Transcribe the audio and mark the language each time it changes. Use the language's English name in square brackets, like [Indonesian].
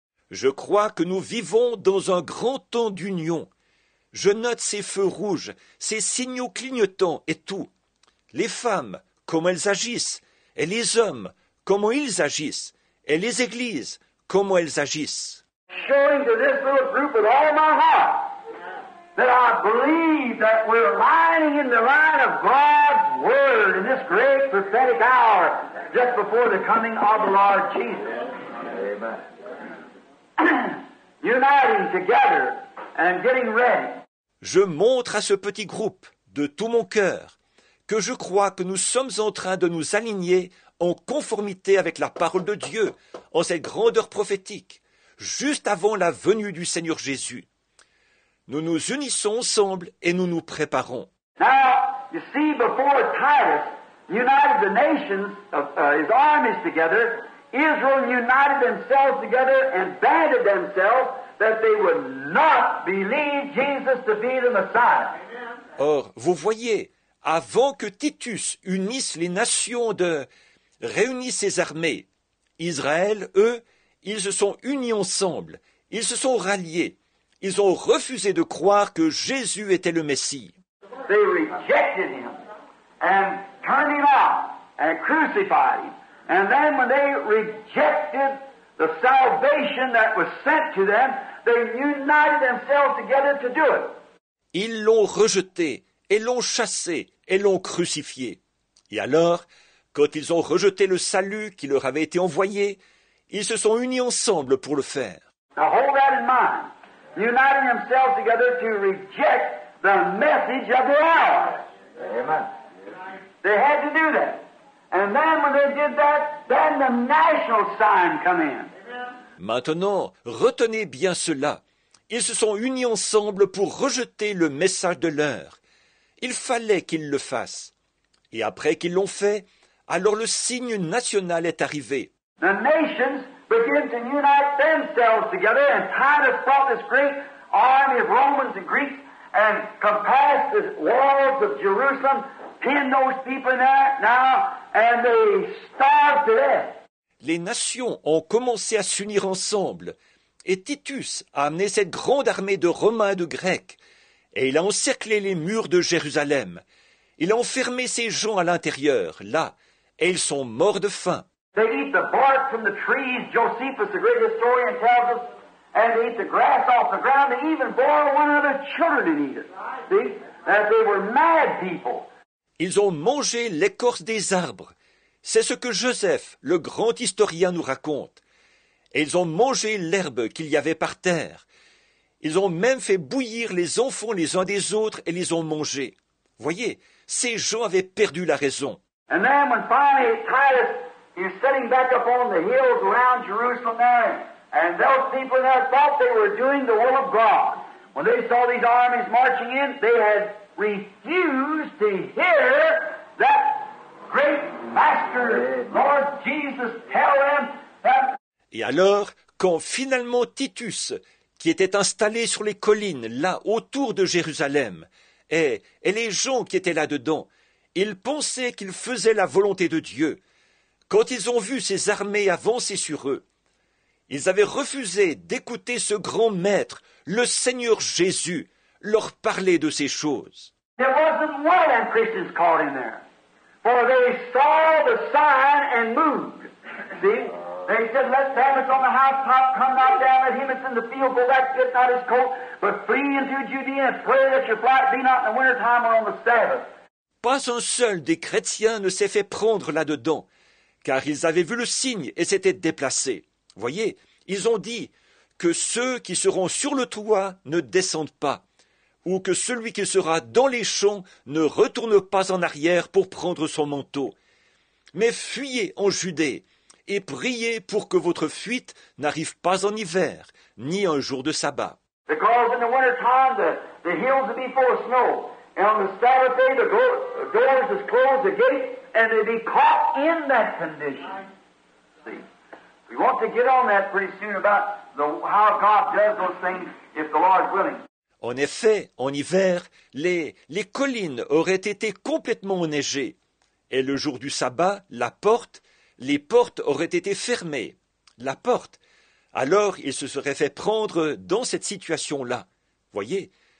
[French] Je crois que nous vivons dans un grand temps d'union. Je note ces feux rouges, ces signaux clignotants et tout. Les femmes, comment elles agissent, et les hommes, comment ils agissent, et les églises, comment elles agissent. [English] Showing to this little group with all my heart that I believe that we're lining in the line of God's word in this great prophetic hour just before the coming of the Lord Jesus. Amen. Uniting together and getting ready. [French] Je montre à ce petit groupe de tout mon cœur que je crois que nous sommes en train de nous aligner en conformité avec la parole de Dieu, en cette grandeur prophétique, juste avant la venue du Seigneur Jésus. Nous nous unissons ensemble et nous nous préparons. [English] Now, you see, before Titus united the nations, his armies together, Israel united themselves together and banded themselves that they would not believe Jesus to be the Messiah. [French] Or, vous voyez, avant que Titus unisse les nations de réunit ses armées. Israël, eux, ils se sont unis ensemble. Ils se sont ralliés. Ils ont refusé de croire que Jésus était le Messie. [English] They rejected him and turned him out and crucified him. And then when they rejected the salvation that was sent to them, they united themselves together to do it. [French] Ils l'ont rejeté et l'ont chassé et l'ont crucifié. Et alors, quand ils ont rejeté le salut qui leur avait été envoyé, ils se sont unis ensemble pour le faire. [English] Now hold that in mind. Uniting themselves together to reject the message of the hour. Amen. They had to do that. And then when they did that, then the national sign come in. [French] Maintenant, retenez bien cela. Ils se sont unis ensemble pour rejeter le message de l'heure. Il fallait qu'ils le fassent. Et après qu'ils l'ont fait, alors le signe national est arrivé. [English] The nations begin to unite themselves together, and Titus brought this great army of Romans and Greeks and compassed the walls of Jerusalem, pinned those people now, and they starved to death. [French] Les nations ont commencé à s'unir ensemble, et Titus a amené cette grande armée de Romains et de Grecs, et il a encerclé les murs de Jérusalem. Il a enfermé ces gens à l'intérieur, là, et ils sont morts de faim. [English] They eat the bark from the trees, Josephus, the great historian, tells us, and they eat the grass off the ground, they even boil one of their children and eat it. See? That they were mad people. [French] Ils ont mangé l'écorce des arbres. C'est ce que Joseph, le grand historien, nous raconte. et ils ont mangé l'herbe qu'il y avait par terre. Ils ont même fait bouillir les enfants les uns des autres et les ont mangés. Voyez, ces gens avaient perdu la raison. [English] And then when finally Titus is sitting back up on the hills around Jerusalem there, and those people that thought they were doing the will of God, when they saw these armies marching in, they had refused to hear that great master, Lord Jesus, tell them that. [French] Et alors, quand finalement Titus, qui était installé sur les collines, là, autour de Jérusalem, et les gens qui étaient là-dedans, ils pensaient qu'ils faisaient la volonté de Dieu. Quand ils ont vu ces armées avancer sur eux, ils avaient refusé d'écouter ce grand maître, le Seigneur Jésus, leur parler de ces choses. [English] There wasn't one Christian caught in there, for they saw the sign and moved. See? They said, let Samus on the housetop come not down, let him that's in the field go back, get not his coat, but flee into Judea and pray that your flight be not in the wintertime or on the Sabbath. [French] Pas un seul des chrétiens ne s'est fait prendre là-dedans, car ils avaient vu le signe et s'étaient déplacés. Voyez, ils ont dit que ceux qui seront sur le toit ne descendent pas, ou que celui qui sera dans les champs ne retourne pas en arrière pour prendre son manteau. Mais fuyez en Judée et priez pour que votre fuite n'arrive pas en hiver, ni un jour de sabbat. [English] Because in the winter time the hills will be full of snow. And on the Sabbath day, the doors is closed, the gates, and they'd be caught in that condition. See, we want to get on that pretty soon about how God does those things if the Lord's willing. [French] En effet, en hiver, les collines auraient été complètement enneigées. Et le jour du sabbat, les portes auraient été fermées. La porte. Alors, il se serait fait prendre dans cette situation-là. Voyez.